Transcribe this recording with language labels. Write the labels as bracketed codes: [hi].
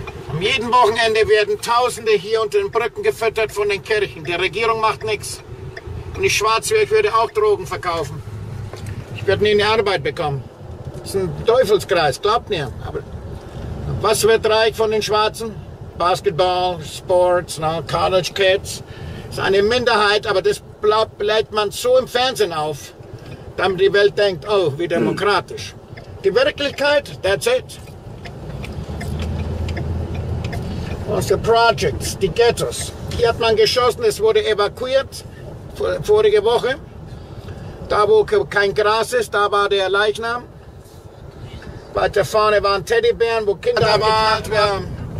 [de] Am jeden Wochenende werden Tausende hier unter den Brücken gefüttert von den Kirchen. Die Regierung macht nichts. Wenn ich schwarz wäre, ich würde auch Drogen verkaufen. Ich werde nie eine Arbeit bekommen. Das ist ein Teufelskreis, glaubt mir. Aber was wird reich von den Schwarzen? [en] Basketball, Sports, no, College Kids. [de] Das ist eine Minderheit, aber das bläht man so im Fernsehen auf, damit die Welt denkt, oh, wie demokratisch. Die Wirklichkeit, [en] that's it. Was the projects, [de] die Ghettos. Hier hat man geschossen, es wurde evakuiert, vorige Woche. Da, wo kein Gras ist, da war der Leichnam. Weiter vorne waren Teddybären, wo Kinder geknallt werden.